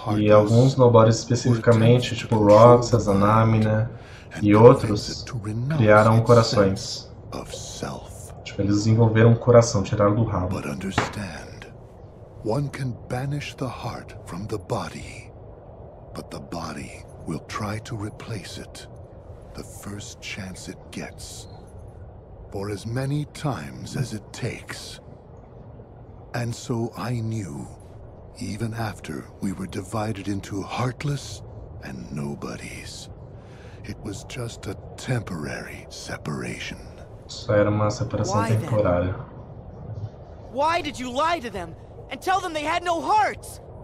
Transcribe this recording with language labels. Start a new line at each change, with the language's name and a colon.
Portuguese: E alguns Nobores especificamente, tipo Roxas, Anamina e outros, criaram corações. Tipo, eles desenvolveram um coração, tiraram do rabo. Mas entenda, um pode banir o coração do corpo, mas o corpo vai tentar replacá-lo a primeira chance que ele tem.
English: For as many times as it takes. And so I knew, even after we were divided into heartless and nobodies, it was just a temporary separation.
Portuguese: Isso era uma separação temporária.
English: Why, why did you lie to them and tell them they had no hearts?